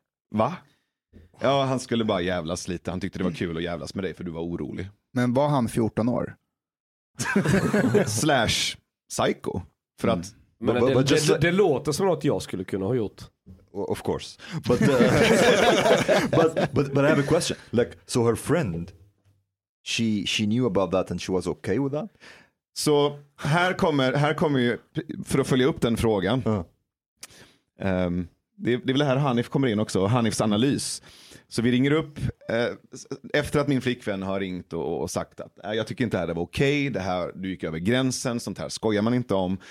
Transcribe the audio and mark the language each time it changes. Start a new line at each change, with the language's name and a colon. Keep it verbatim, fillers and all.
Swedish: Va? Ja, han skulle bara jävlas lite. Han tyckte det var kul att jävlas med dig för du var orolig. Men var han fjorton år? Slash psycho. För att... Mm. Men
English: but, but, but
Swedish: det, just, det, det låter som något jag skulle kunna ha gjort.
English: Of course. But, uh, but, but, but I have a question. Like, so her friend, she, she knew about that and she was okay with that?
Swedish: Så här kommer, här kommer ju, för att följa upp den frågan. Uh. Um, det, det är väl här Hanif kommer in också, Hanifs analys. Så vi ringer upp eh, efter att min flickvän har ringt och, och sagt att jag tycker inte det här var okej, det här, du gick över gränsen, sånt här skojar man inte om.